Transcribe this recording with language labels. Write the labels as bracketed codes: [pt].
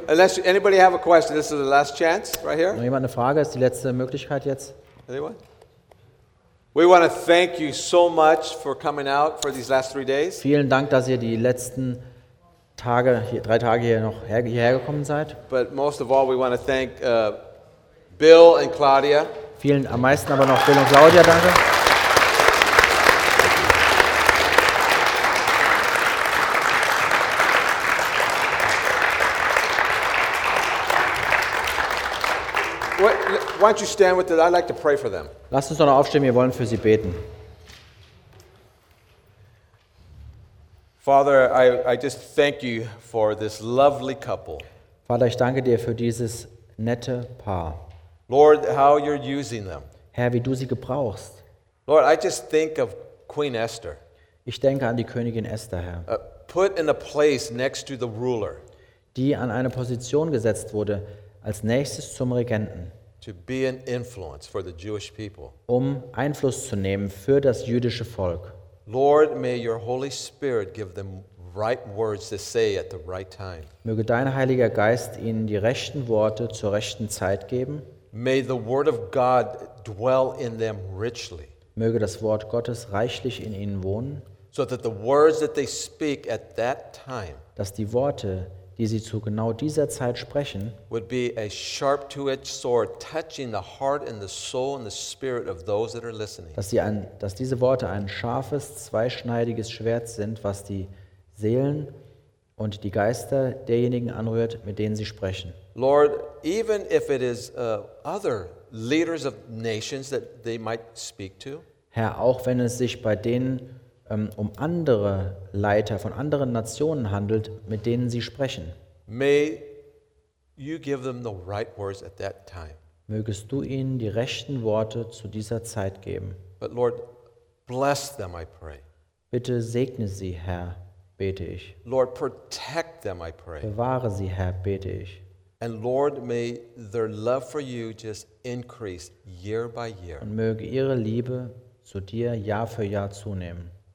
[en] Unless anybody have a question, this is the last chance right here. [de] Noch jemand eine Frage? Ist die letzte Möglichkeit jetzt? Anyone? [en] We want to thank you so much for coming out for these last 3 days. [de] Vielen Dank, dass ihr die letzten Tage, drei Tage hier noch hierher gekommen seid. [en] But most of all, we want to thank Bill and Claudia. [de] Vielen, am meisten aber noch Bill und Claudia, danke. [en] Why don't you stand with them? I'd like to pray for them. [de] Lasst uns doch noch aufstehen, wir wollen für sie beten. [en] Father, I just thank you for this lovely couple. [de] Vater, ich danke dir für dieses nette Paar. [en] Lord, how you're using them. [de] Herr, wie du sie gebrauchst. [en] Lord, I just think of Queen Esther. [de] Ich denke an die Königin Esther, Herr. [en] Put in a place next to the ruler. [de] Die an eine Position gesetzt wurde, als nächstes zum Regenten. [en] To be an influence for the Jewish people. [de] Um Einfluss zu nehmen für das jüdische Volk. [en] Lord, may your Holy Spirit give them right words to say at the right time. [de] Möge dein Heiliger Geist ihnen die rechten Worte zur rechten Zeit geben. [en] May the word of God dwell in them richly. [de] Möge das Wort Gottes reichlich in ihnen wohnen. [en] So that the words that they speak at that time. [de] Dass die Worte, die sie zu genau dieser Zeit sprechen, [en] would be a sharp two-edged sword touching the heart and the soul and the spirit of those that are listening. [de] Dass diese Worte ein scharfes, zweischneidiges Schwert sind, was die Seelen und die Geister derjenigen anrührt, mit denen sie sprechen. [en] Lord, even if it is other leaders of nations that they might speak to. [de] Herr, auch wenn es sich bei denen um andere Leiter von anderen Nationen handelt, mit denen sie sprechen. [en] May you give them the right words at that time. [de] Mögest du ihnen die rechten Worte zu dieser Zeit geben. [en] But Lord, bless them, I pray. [de] Bitte segne sie, Herr, bete ich. [en] Lord, protect them, I pray. [de] Bewahre sie, Herr, bete ich. [en] And Lord, may their love for you just increase year by year. [de] Und möge ihre Liebe zu dir Jahr für Jahr zunehmen.